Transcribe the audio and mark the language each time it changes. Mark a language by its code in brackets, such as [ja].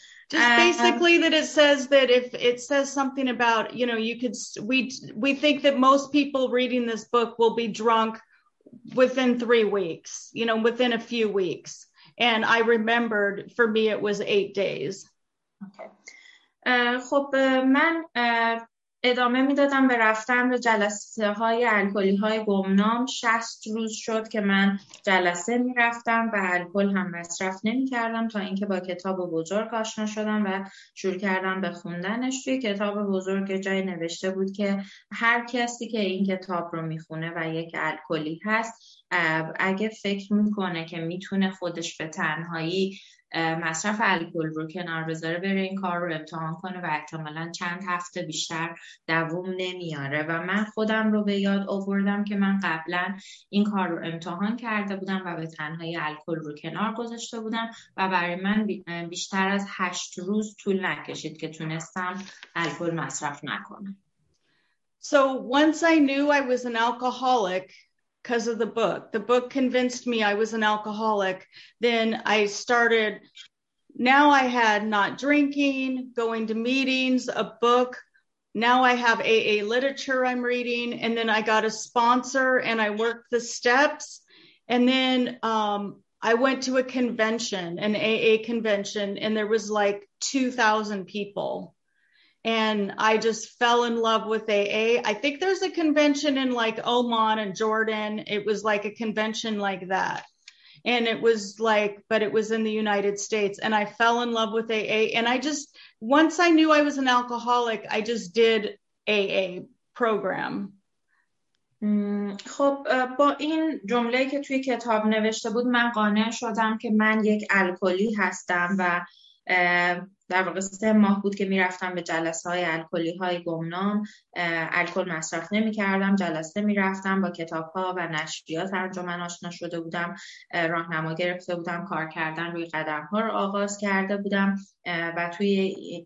[en] Just basically that it says that if it says something about, you know, you could, we think that most people reading this book will be drunk within 3 weeks, you know, within a few weeks. And I remembered for me, it was 8 days. [fa] Okay. خب من ادامه میدادم به رفتن به جلسه های الکلی های گمنام. 60 روز شد که من جلسه میرفتم و الکل هم مصرف نمی کردم تا اینکه با کتاب بزرگ آشنا شدم و شروع کردم به خوندنش. توی کتاب بزرگ جای نوشته بود که هر کسی که این کتاب رو میخونه و یک الکلی هست، اگه فکر میکنه که میتونه خودش به تنهایی مصرف الکل رو کنار بذاره، بره این کار رو امتحان کنه و احتمالا چند هفته بیشتر دووم نمیاره. و من خودم رو به یاد آوردم که من قبلا این کار رو امتحان کرده بودم و به تنهایی الکل رو کنار گذاشته بودم و برای من بیشتر از 8 روز طول نکشید که تونستم الکل مصرف نکنم. [en] So once I knew I was an alcoholic because of the book. The book convinced me I was an alcoholic. Then I started, now I had not drinking, going to meetings, a book. Now I have AA literature I'm reading. And then I got a sponsor and I worked the steps. And then I went to a convention, an AA convention, and there was like 2,000 people. And I just fell in love with AA. I think there's a convention in like Oman and Jordan. It was like a convention like that. And it was like, but it was in the United States. And I fell in love with AA. And I just, once I knew I was an alcoholic, I just did AA program. [fa] خب با این جمله که توی کتاب نوشته بود من قانع شدم که من یک الکلی هستم و در واقع 3 ماه بود که می رفتم به جلسه های الکلی های گمنام، الکل مصرف نمی کردم، جلسه می رفتم، با کتاب ها و نشریات انجمن آشنا شده بودم، راهنما گرفته بودم، کار کردن روی قدم ها رو آغاز کرده بودم و توی